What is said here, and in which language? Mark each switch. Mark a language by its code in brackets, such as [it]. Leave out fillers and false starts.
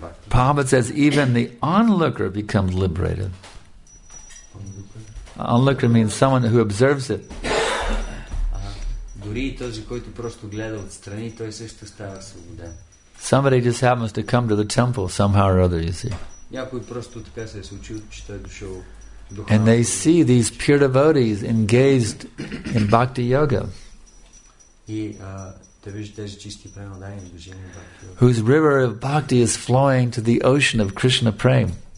[en] Prabhupada says even the onlooker becomes liberated. Onlooker means someone who observes it. [bg] Дори и този, който просто гледа отстрани, той също става свободен. [en] Somebody just happens to come to the temple somehow or other, you see. [bg] Някой просто така се е случил, че той е дошъл. [en] And they see these pure devotees engaged in bhakti yoga. [bg] И те виждат тези чисти преподавания в движение бхакти йога. [en] Whose river of bhakti is flowing to the ocean of Krishna Prem.